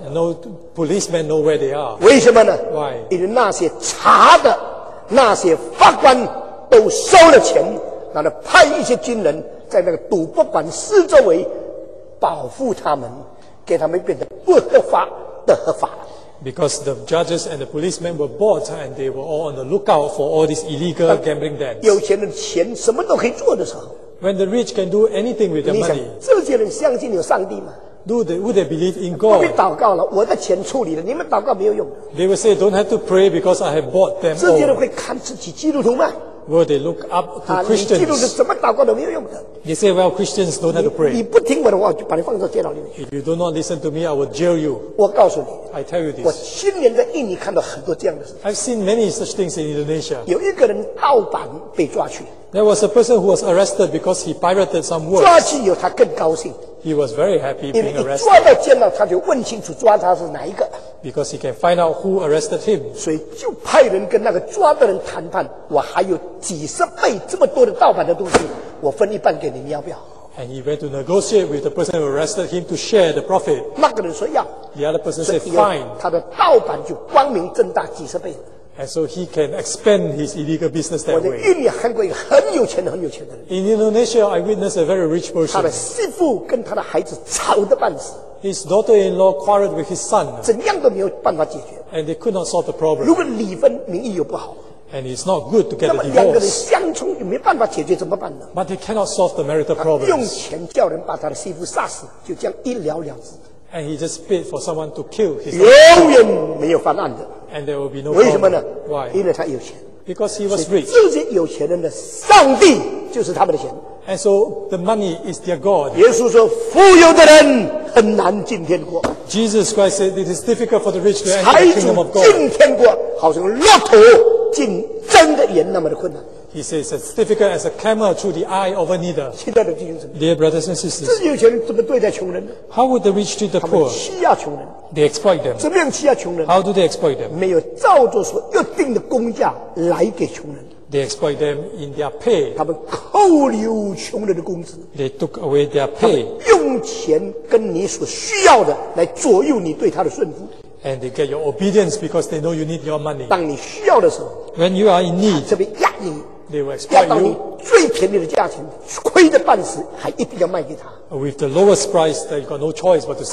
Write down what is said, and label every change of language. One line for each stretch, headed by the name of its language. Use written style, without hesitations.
English: No policemen know where they are.
Chinese: 为什么呢？
English: Why?
Chinese: 因为那些查的那些法官都收了钱，然后派一些军人在那个赌博馆四周围保护他们，给他们变得不合法的合法。
English: Because the judges and the policemen were bought and they were all on the lookout for all these illegal gambling dens.
Chinese: 有钱人钱什么都可以做的时候。
English: When the rich can do anything with their money,
Chinese: 这些人相信有上帝吗？
English: Would they believe in God?
Chinese: 不必祷告了，我的钱处理了，你们祷告没有用。
English: They would say, "Don't have to pray because I have bought them."
Chinese: 这些人会看自己基督徒吗？
English: Would they look up to Christians?
Chinese: 你基督徒怎么祷告都没有用的。
English: They say, "Well, Christians don't have to pray."
Chinese: 你不听我的话，我就把你放到监牢里面。
English: If you do not listen to me, I will jail you.
Chinese: 我告诉你
English: ，I tell you this.
Chinese: 我亲眼在印尼看到很多这样的事。
English: I've seen many such things in Indonesia.
Chinese: 有一个人盗版被抓去。
English: There was a person who was arrested because he pirated some works.
Chinese: 抓起有他更高兴。
English: He was very happy being arrested.
Chinese: 因为一抓到见到他就问清楚抓他是哪一个。
English: Because he can find out who arrested him.
Chinese: 所以就派人跟那个抓的人谈判，我还有几十倍这么多的盗版的东西，我分一半给你，你要不要？
English: And he went to negotiate with the person who arrested him to share the profit.
Chinese: 那个人说要。
English: The other person said fine.
Chinese: 他的盗版就光明正大几十倍。
English: And so he can expand his illegal business that way.
Chinese: 我在印尼看过一个很有钱的、很有钱的人。
English: In Indonesia, I witnessed a very rich person.
Chinese: 他的媳妇跟他的孩子吵得半死。
English: His daughter-in-law quarreled with his son.
Chinese: 怎样都没有办法解决。
English: And they could not solve the problem.
Chinese: 如果离婚，名誉又不好。
English: And it's not good to get a divorce.
Chinese: 那么两个人相冲，又没办法解决，怎么办呢？
English: But they cannot solve the marital problems.
Chinese: 他用钱叫人把他的媳妇杀死，就这样一了了之。
English: And he just paid for someone to kill his
Chinese: son. 永远没有翻案的。
English: And there will be no
Chinese: 为什么呢？
English: Why?
Chinese: 因为他有钱。
English: Because he was rich.
Chinese: 这些有钱人的上帝就是他们的钱。
English: And so the money is their God.
Chinese: 耶稣说，富有的人很难进天国。
English: Jesus Christ said it is difficult for the rich to enter the kingdom of God.
Chinese: 进天国好像骆驼进针的眼那么的困难。
English: He says it's difficult as a camel through the eye of a needle.
Chinese: 亲爱的弟兄姊妹
English: Dear brothers and sisters.
Chinese: 这些有钱人怎么对待穷人呢？
English: How would the rich treat the poor?
Chinese: 他们欺压穷人。
English: They exploit them.
Chinese: 怎么样欺压穷人？
English: How do they exploit them?
Chinese: 没有照着所约定的工价来给穷人。
English: They exploit them in their pay.
Chinese: 他们扣留穷人的工资。
English: They took away their pay.
Chinese: 他们用钱跟你所需要的来左右你对他的顺服。
English: And they get your obedience because they know you need your money.
Chinese: 当你需要的时候。
English: When you are in need.
Chinese: 这边压你。
English: They will exploit you.
Chinese: 压到你最便宜的价钱，亏得半死，还一定要卖给他。
English: With the lowest price, that you got no choice but to sell to them.